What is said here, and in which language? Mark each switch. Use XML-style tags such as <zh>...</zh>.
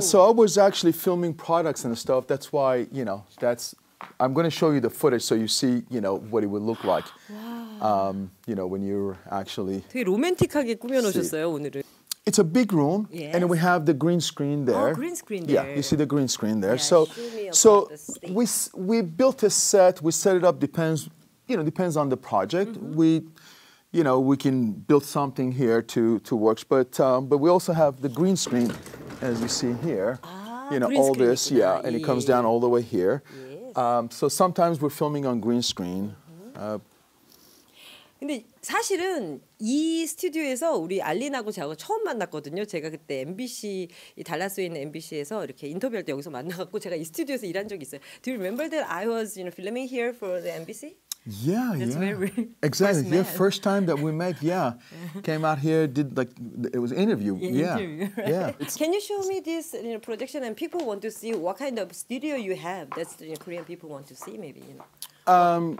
<en>So I was actually filming products and stuff. That's why, you know, I'm going to show you the footage so you see, you know, what it would look like. Wow. You know, when you're actually...</en> <ko>되게 로맨틱하게 꾸며놓으셨어요, 오늘은.</ko> <en>It's a big room, yes. and we have the green screen there. Oh, green screen there. Yeah, you see the green screen there. Yeah, so we built a set, we set it up, depends on the project. Mm-hmm. We can build something here to work, but we also have the green screen, as you see here. Ah, you know, all screen. This, yeah, and it comes down all the way here. Yes. So sometimes we're filming on green screen. Mm-hmm.</en> <ko>근데 사실은 이 스튜디오에서 우리 알린하고 저하고 처음 만났거든요. 제가 그때 MBC 달라스에 있는 MBC에서 이렇게 인터뷰할 때 여기서 만나갖고 제가 이 스튜디오에서 일한 적이 있어요.</ko> <en>Do you remember that I was, you know, filming here for the MBC? Yeah, that's yeah. Very exactly. Nice the yeah, first time that we met, yeah. Came out here, did like, it was interview. Yeah. Interview, right? Yeah. Can you show me this, you know, projection and people want to see what kind of studio you have that the, you know, Korean people want to see maybe, you know?</en>